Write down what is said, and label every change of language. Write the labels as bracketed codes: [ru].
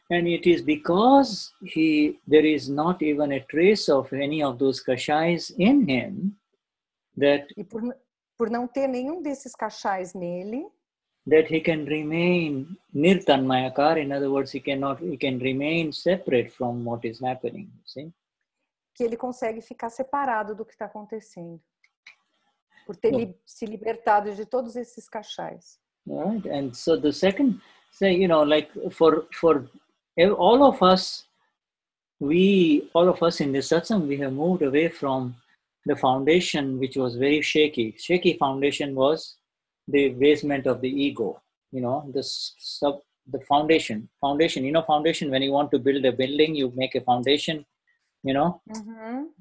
[en] And it is because there is not even a trace of any of those kashais in him that... [pt] E por não ter nenhum desses kashais nele. [en] that he can remain nirtanmayakar, in other words, he can remain separate from what is happening, you see? [pt] Que ele consegue ficar separado do que está acontecendo. Por ter se libertado de todos esses cachais. [en] Right. And so the second, say, you know, like for all of us in this satsang, we have moved away from the foundation, which was very shaky. Shaky foundation was the basement of the ego, you know, the foundation, you know, foundation, when you want to build a building, you make a foundation, you know, mm-hmm.